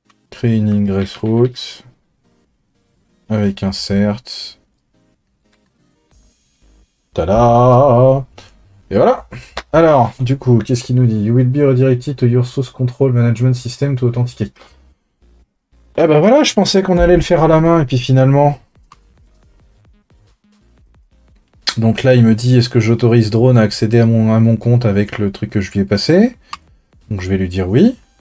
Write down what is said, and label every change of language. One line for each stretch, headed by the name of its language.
French: Créer une ingress route avec un cert. Tada! Et voilà! Alors, du coup, qu'est-ce qu'il nous dit?
English: You will be redirected to your source control management system to authenticate.
French: Eh ben voilà, je pensais qu'on allait le faire à la main, et puis finalement. Donc là, il me dit, est-ce que j'autorise Drone à accéder à mon compte avec le truc que je lui ai passé? Donc je vais lui dire oui.